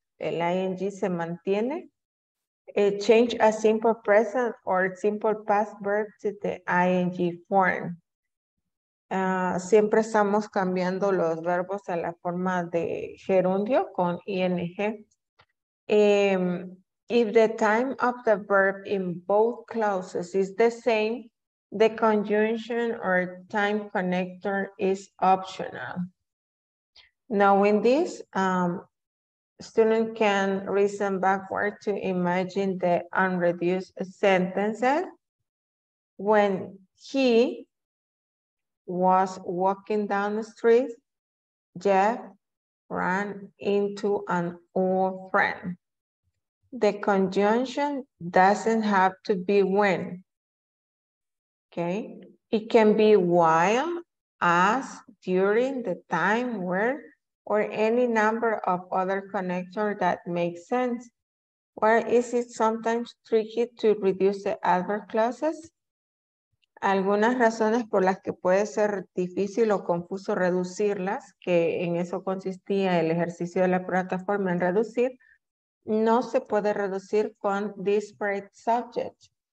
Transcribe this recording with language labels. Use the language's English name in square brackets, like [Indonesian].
[Spanish] El ing se mantiene. [English] Change a simple present or simple past verb to the ing form. [Spanish] Siempre estamos cambiando los verbos a la forma de gerundio con ing. [English] If the time of the verb in both clauses is the same, the conjunction or time connector is optional. Knowing this, student can reason backward to imagine the unreduced sentences. When he was walking down the street, Jeff ran into an old friend. The conjunction doesn't have to be when. Okay, it can be while, as, during, the time, where, or any number of other connectors that make sense. Where is it sometimes tricky to reduce the adverb clauses? [Spanish] Algunas razones por las que puede ser difícil o confuso reducirlas, que en eso consistía el ejercicio de la plataforma en reducir, no se puede reducir con [English] disparate subject.